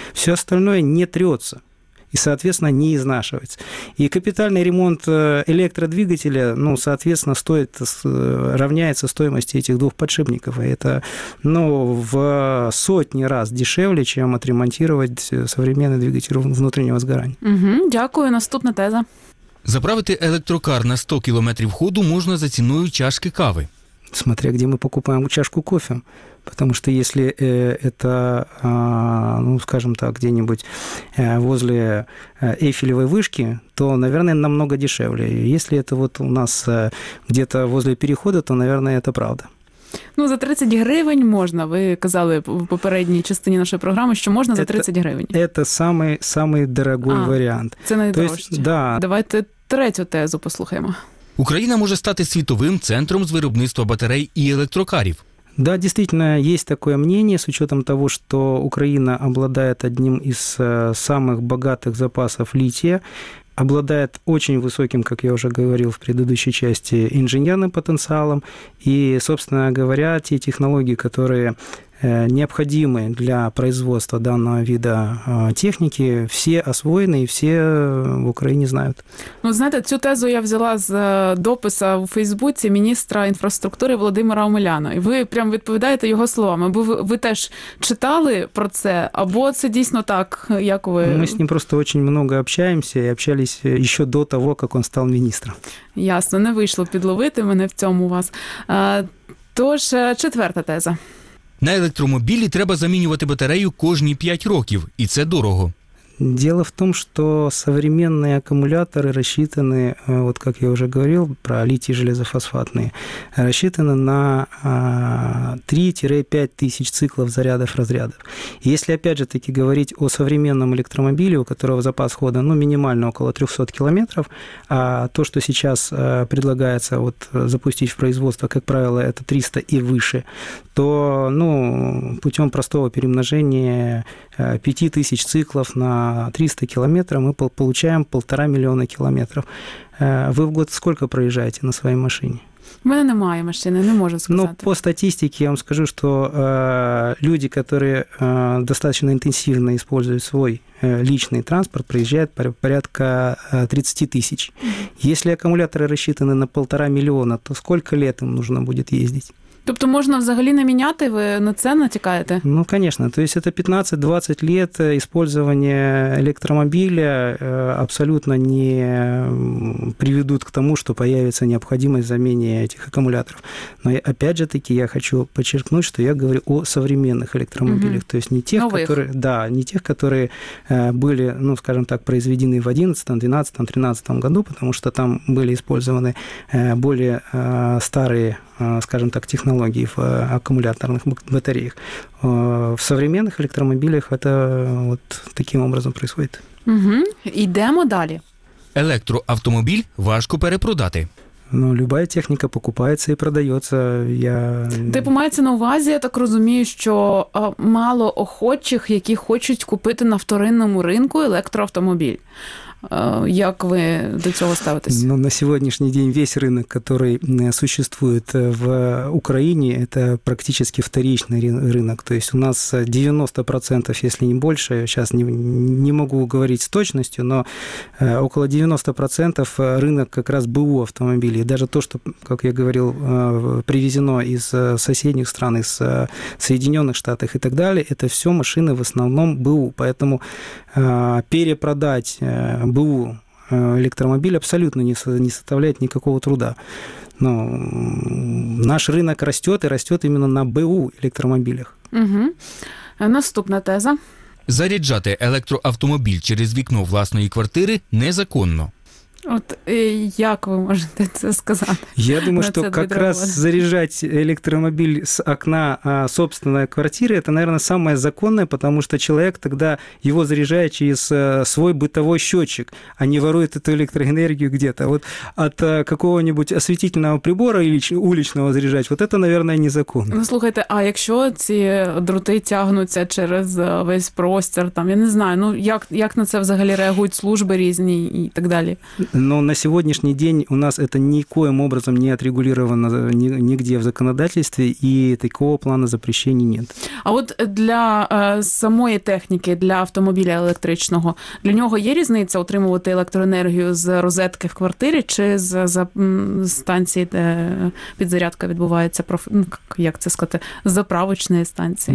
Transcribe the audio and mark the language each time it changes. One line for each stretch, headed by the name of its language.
Russian: Все остальное не трется и, соответственно, не изнашивается. И капитальный ремонт электродвигателя, ну, соответственно, стоит, равняется стоимости этих двух подшипников. И это, ну, в сотни раз дешевле, чем отремонтировать современный двигатель внутреннего сгорания.
Ukrainian: Угу, дякую. Наступна теза. Заправити електрокар на 100 км ходу можна за ціною чашки кави.
Russian: Смотря где мы покупаем чашку кофе. Потому что если это, ну, скажем так, где-нибудь возле Эйфелевой вышки, то, наверное, намного дешевле. Если это вот у нас где-то возле перехода, то, наверное, это правда.
Ukrainian: Ну, за 30 гривень можна. Ви казали в попередній частині нашої програми, що можна за 30 гривень. Це самий дорогий варіант. Це найдорожче. То
Russian: есть, да.
Ukrainian: Давайте третю тезу послухаємо. Україна може стати світовим центром з виробництва батарей і електрокарів.
Russian: Да, действительно, есть такое мнение, с учетом того, что Украина обладает одним из самых богатых запасов лития, обладает очень высоким, как я уже говорил в предыдущей части, инженерным потенциалом, и, собственно говоря, те технологии, которые необходимы для производства данного вида техники, все освоены и все в Украине знают.
Ukrainian: Ну, знаете, цю тезу я взяла з дописа в Фейсбуці міністра інфраструктури Володимира Омеляна. І ви прям відповідаєте його словами. Ви теж читали про це? Або це дійсно так, як ви... Ми з ним просто дуже багато
Russian: общаемся
Ukrainian: і
Russian: общались
Ukrainian: ще до того, як він став міністром. Ясно, не вийшло підловити мене в цьому у вас. Тож, четверта теза.
Russian: На электромобиле
Ukrainian: треба
Russian: заменивать батарею каждые 5
Ukrainian: років,
Russian: и это дорого. Дело в том, что современные аккумуляторы рассчитаны, вот как я уже говорил, про литий-железофосфатные, рассчитаны на 3-5 тысяч циклов зарядов-разрядов. Если, опять же таки, говорить о современном электромобиле, у которого запас хода, ну, минимально около 300 километров, а то, что сейчас предлагается вот запустить в производство, как правило, это 300 и выше, то, ну, путем простого перемножения 5000 циклов на 300 километров, мы получаем 1,5 миллиона километров. Вы в год сколько проезжаете на своей машине? У меня
Ukrainian: немає машини, не можу сказати.
Russian: Ну, по статистике я вам скажу, что люди, которые достаточно интенсивно используют свой личный транспорт, проезжают порядка 30 тысяч. Если аккумуляторы рассчитаны на 1,5 миллиона, то сколько лет им нужно будет ездить?
Ukrainian: Тобто можна взагалі не міняти, ви на це натякаєте? Ну, звісно. Тобто це 15-20 років використання електромобіля абсолютно не приведуть до того, що з'явиться необхідність заміни цих акумуляторів. Але,
Russian: опять же таки,
Ukrainian: я хочу підчеркнути, що я
Russian: говорю о
Ukrainian: сучасних електромобілях. Угу. Тобто не тих, які були, ну, скажімо так, произведені в 11, 12, 13 році, тому що там були використані більш старі,
Russian: скажем так, технологий в аккумуляторных батареях. В современных электромобилях это вот таким образом происходит.
Ukrainian: Угу. Идемо далі. Электроавтомобиль важко перепродати.
Russian: Ну, любая техника покупается и продается.
Ukrainian: Типу, мається на увазі, я так розумію, що мало охочих, які хочуть купити на вторинному ринку електроавтомобіль. Як ви до цього ставитесь? Ну, на сьогоднішній день весь ринок, який существує в Україні, це практично вторинний ринок. Тобто у нас 90%, якщо не більше, зараз не можу говорити з точністю, але
Russian: около
Ukrainian: 90% ринок якраз БУ автомобілів. Навіть те, що, як я говорив, привезено із сусідніх країн, із Сполучених Штатів і так далі, це все машини в основному БУ. Тому перепродати
Russian: БУ электромобиль абсолютно не составляет никакого труда. Но наш рынок растет и растет именно на БУ электромобилях.
Ukrainian: Угу. Наступная теза. Заряджати электроавтомобиль через вікно власної квартири незаконно. От як ви можете це сказати? Я думаю, що якраз заряджати електромобіль з вікна
Russian: собственної
Ukrainian: квартири – це, мабуть, найбільш законне, тому що чоловік тоді його заряджає через свій
Russian: бытовий счетчик,
Ukrainian: а не ворує цю електроенергію
Russian: где-то.
Ukrainian: От від якого-нибудь освітлювального прибору вуличного заряджати, от це, мабуть, незаконно. Ну, слухайте, а якщо ці дроти тягнуться через весь простір, там, я не знаю, ну, як на це взагалі реагують служби різні і так далі?
Russian: Но на сегодняшний день у нас это никоим образом не отрегулировано нигде в законодательстве, и такого плана запрещений нет. А вот для самой техники, для автомобиля электричного, для него есть разница
Ukrainian: отримувати
Russian: электроэнергию из розетки в квартире,
Ukrainian: чи
Russian: за станции, где подзарядка
Ukrainian: відбувається,
Russian: как это сказать, заправочные станции?